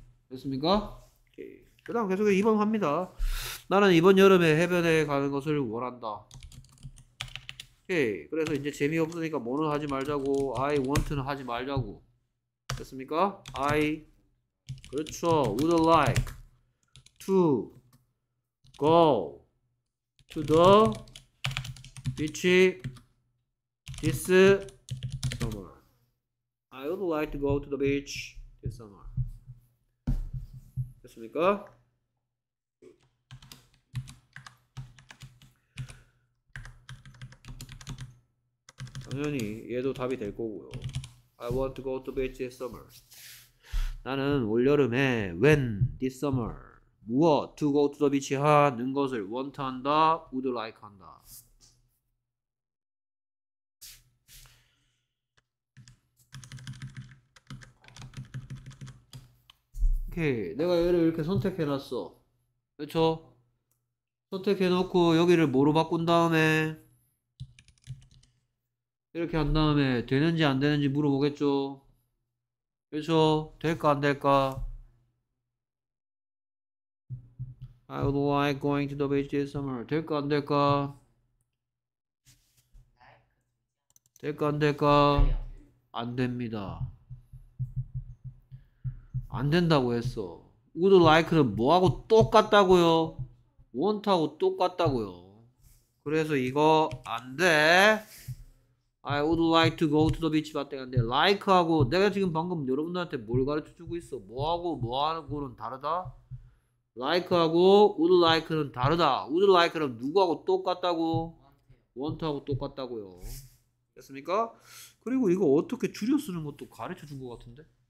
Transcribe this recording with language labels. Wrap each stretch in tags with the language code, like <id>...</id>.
<ko>됐습니까? 그 다음 계속 2번 갑니다. 나는 이번 여름에 해변에 가는 것을 원한다. 오케이. 그래서 이제 재미없으니까 뭐는 하지 말자고 I want는 하지 말자고. 됐습니까? I 그렇죠.</ko> <en>Would like to go to the beach this summer. I would like to go to the beach this summer.</en> <ko>됐습니까? 당연히 얘도 답이 될 거고요.</ko> <en>I want to go to the beach this summer.</en> <ko>나는 올여름에</ko> <en>when this summer</en> <ko>무엇?</ko> <en>To go to the beach</en> <ko>하는 것을</ko> <en>want 한다, would like 한다.</en> <ko>오케이. 내가 얘를 이렇게 선택해놨어. 그렇죠? 선택해놓고 여기를 뭐로 바꾼 다음에 이렇게 한 다음에 되는지 안 되는지 물어보겠죠. 그렇죠? 될까 안 될까?</ko> <en>I would like going to the beach this summer.</en> <ko>될까 안 될까? 될까 안 될까? 안 됩니다. 안 된다고 했어. Would like는 뭐하고 똑같다고요? Want하고 똑같다고요. 그래서 이거 안 돼.</ko> <en>I would like to go to the beach</en> <ko>밖에 안 돼. Like하고 내가 지금 방금 여러분들한테 뭘 가르쳐주고 있어? 뭐하고 뭐하는 거는 다르다? like하고 would like는 다르다. would like는 누구하고 똑같다고? want하고 똑같다고요. 됐습니까? 그리고 이거 어떻게 줄여 쓰는 것도 가르쳐 준 것 같은데?</ko>